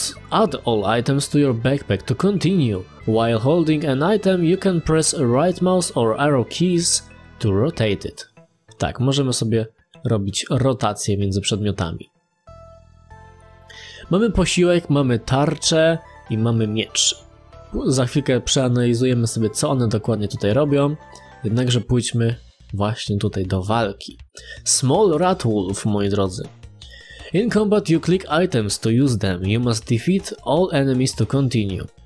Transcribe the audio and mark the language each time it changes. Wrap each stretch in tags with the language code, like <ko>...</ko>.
<en>Add all items to your backpack to continue. While holding an item you can press right mouse or arrow keys to rotate it.</en> <pl>Tak, możemy sobie robić rotację między przedmiotami. Mamy posiłek, mamy tarczę i mamy miecz. Za chwilkę przeanalizujemy sobie, co one dokładnie tutaj robią. Jednakże pójdźmy właśnie tutaj do walki. Small Rat Wolf, moi drodzy.</pl> <en>In combat you click items to use them. You must defeat all enemies to continue.</en>